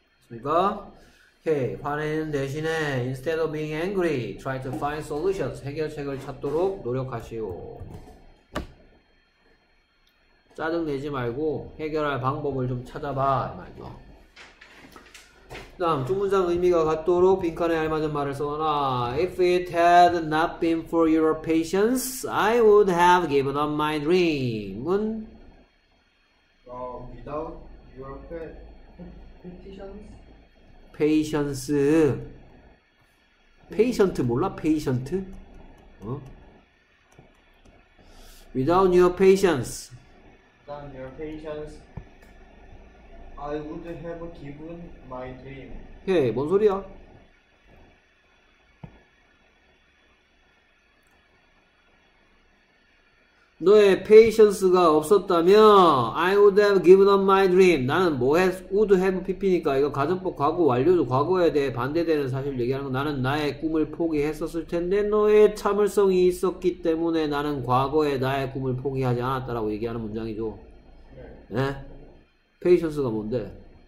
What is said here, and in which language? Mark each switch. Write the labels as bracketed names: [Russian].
[Korean] 있습니다. 오케이, 화내는 대신에 [English] instead of being angry, try to find solutions, [Korean] 해결책을 찾도록 노력하시오. 짜증내지 말고 해결할 방법을 좀 찾아봐, 말이죠. 다음, 주문상 의미가 같도록 빈칸에 알맞은 말을 써놔. [English] If it had not been for your patience, I would have given up my dream. Without your patience? Patience. Patient 몰라? Patient? 어? Without your patience. Without your patience, I would have given my dream. [Korean] 헤이, 뭔 소리야? 너의 patience가 없었다면 [English] I would have given up my dream. [Korean] 나는 뭐 했, [English] would have pp [Korean] 니까 이거 가정법 과거 완료도 과거에 대해 반대되는 사실을 얘기하는 건 나는 나의 꿈을 포기했었을 텐데 너의 참을성이 있었기 때문에 나는 과거에 나의 꿈을 포기하지 않았다라고 얘기하는 문장이죠. 네. 네? patience가 뭔데?